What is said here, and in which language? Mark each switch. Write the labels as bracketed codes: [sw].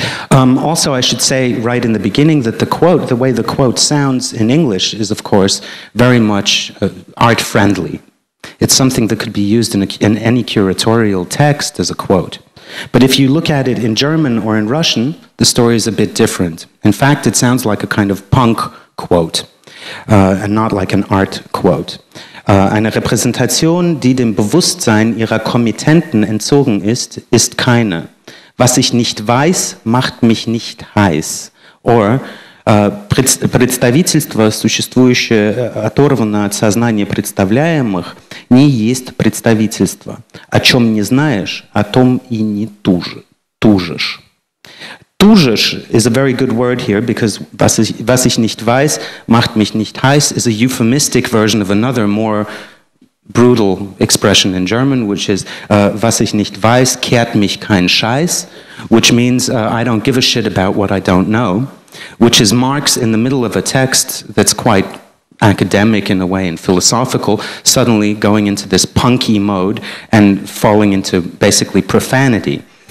[en] Also, I should say right in the beginning that the quote, the way the quote sounds in English, is of course very much art friendly. It's something that could be used in any curatorial text as a quote. But if you look at it in German or in Russian, the story is a bit different. In fact, it sounds like a kind of punk quote, and not like an art quote. [de] Eine Repräsentation, die dem Bewusstsein ihrer Kommittenten entzogen ist, ist keine. Was ich nicht weiß, macht mich nicht heiß. [ru] Or, представительство, существующее оторвано от сознания представляемых, не есть представительство. О чем не знаешь, о том и не тужишь. [en] Dusisch is a very good word here because [de] was ich nicht weiß, macht mich nicht heiß [en] is a euphemistic version of another more brutal expression in German, which is [de] was ich nicht weiß, kehrt mich kein Scheiß, [en] which means I don't give a shit about what I don't know, which is Marx in the middle of a text that's quite academic in a way and philosophical, suddenly going into this punky mode and falling into basically profanity.